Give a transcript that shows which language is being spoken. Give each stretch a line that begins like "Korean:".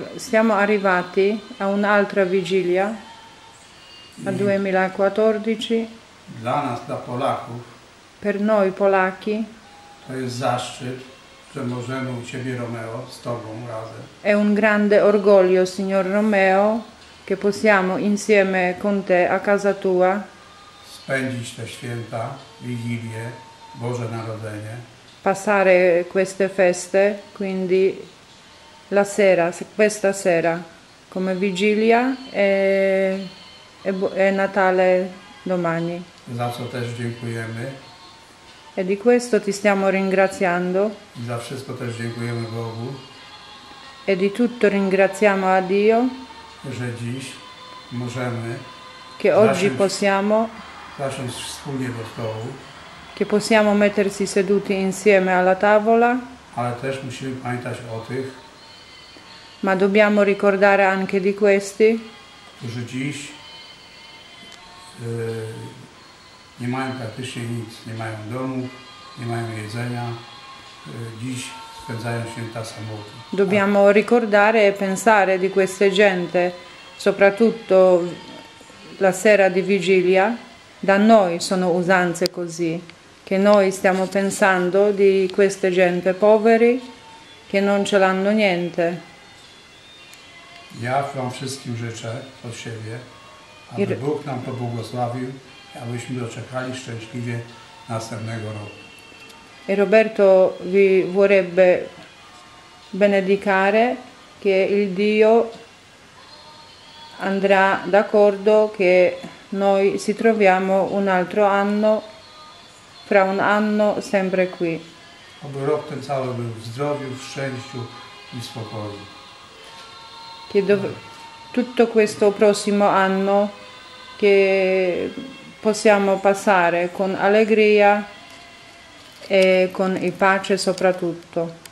Italian: Siamo arrivati a un'altra vigilia, a 2014.
Polish: Dla nas, dla Polaków.
Italian: Per noi Polacchi.
Polish: To jest zaszczyt, że możemy u Ciebie, Romeo, z Tobą razem.
Italian: È un grande orgoglio, signor Romeo, che possiamo insieme con te a casa tua
Polish: spędzić te święta, Wigilię, Boże Narodzenie.
Italian: Passare queste feste, quindi la sera, questa sera, come vigilia e Natale domani.
Polish: Za co też dziękujemy.
Italian: E di questo ti stiamo ringraziando.
Polish: Za wszystko też dziękujemy Bogu.
Italian: E di tutto ringraziamo a Dio.
Polish: Że dziś możemy.
Italian: Che oggi possiamo.
Polish: Zasiąść wspólnie do stołu.
Italian: Che possiamo mettersi seduti insieme alla tavola.
Polish: Ale też musimy pamiętać o tych. Ma dobbiamo ricordare anche di questi. Którzy dziś nie mają praktycznie nic, nie mają domu, nie mają jedzenia. Dziś spędzają święta samotni.
Italian: Dobbiamo ricordare e pensare di queste gente, soprattutto la sera di vigilia. Da noi sono usanze così, che noi stiamo pensando di queste gente poveri che non ce l'hanno niente.
Polish: Ja Wam wszystkim życzę od siebie, aby Bóg nam pobłogosławił i abyśmy doczekali szczęśliwie następnego roku.
Italian: E Roberto vi vorrebbe benedicare che il Dio andrà d'accordo che noi ci troviamo un altro anno, fra un anno sempre qui.
Polish: Aby rok ten cały był w zdrowiu, w szczęściu i spokoju.
Italian: Che tutto questo prossimo anno che possiamo passare con allegria e con il pace soprattutto.